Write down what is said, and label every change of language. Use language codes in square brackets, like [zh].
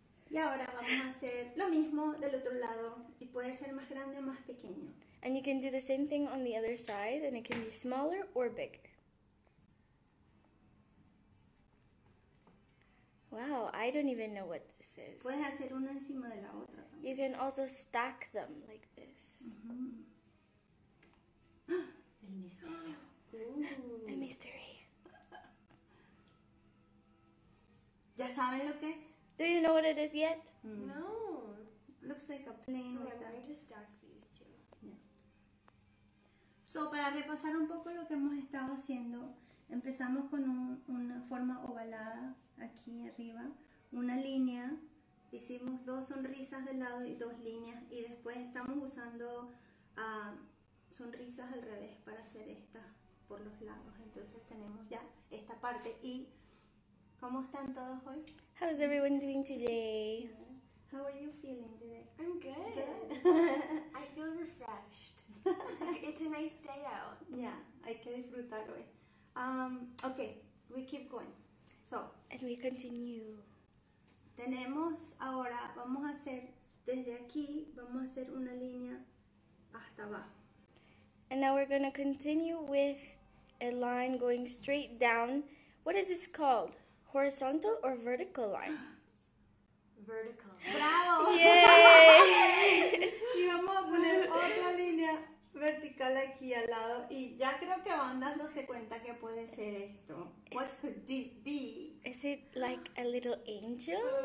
[es] Y ahora vamos a hacer lo mismo del otro lado, y puede ser más grande o más pequeño. [en] And you can do the same thing on the other side, and it can be smaller or bigger. Wow, I don't even know what this is. [es] Puedes hacer una encima de la otra también. [en] You can also stack them like this. Mm-hmm. [es] El misterio. Ooh. [en] The mystery. [es] ¿Ya saben lo que es? [en] Do you know what it is yet? Mm. No. Looks like a plane. I'm going to stack these two. Yeah. [es] So, para repasar un poco lo que hemos estado haciendo, empezamos con una forma ovalada aquí arriba, una línea, hicimos dos sonrisas del lado y dos líneas, y después estamos usando sonrisas al revés para hacer estas por los lados. Entonces tenemos ya esta parte. Y ¿cómo están todos hoy? [en] How's everyone doing today? How are you feeling today? I'm good. I feel refreshed. It's a nice day out. [es] Yeah, hay que disfrutar hoy. [en] Okay, we keep going. So, and we continue. [es] Tenemos ahora, vamos a hacer desde aquí, vamos a hacer una línea hasta abajo. [en] And now we're going to continue with a line going straight down. What is this called? Horizontal or vertical line? Vertical. Bravo. Yay. [es] Y vamos a poner otra línea vertical aquí al lado. Y ya creo que van dándose cuenta que puede ser esto. [en] What could this be? Is it like a little angel?